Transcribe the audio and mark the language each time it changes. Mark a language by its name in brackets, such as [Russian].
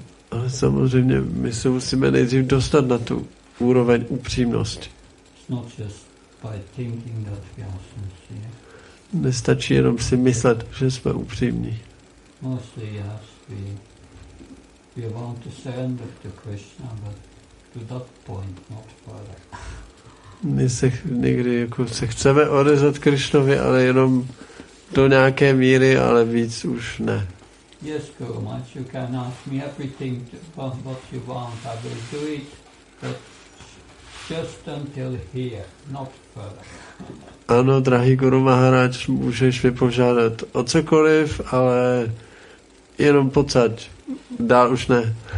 [Czech] Ale samozřejmě my se musíme nejdřív dostat na tu úroveň upřímnosti. [English] By thinking that we are sincere. [Czech] Nestačí jenom si myslet, že jsme upřímní. [English] Mostly yes, we want to surrender to Krishna, but to that point, not further. [Czech] My se někdy jako se chceme odezvat Krishnovi, ale jenom do nějaké míry, ale víc už ne. [English] Yes, Guru Maharaj, you can ask me everything what you want, I will do it, but just until here, not further. [Czech] Ano, drahý Guru Maharaj, můžeš mi požádat o cokoliv, ale jenom pocať. Dál už ne.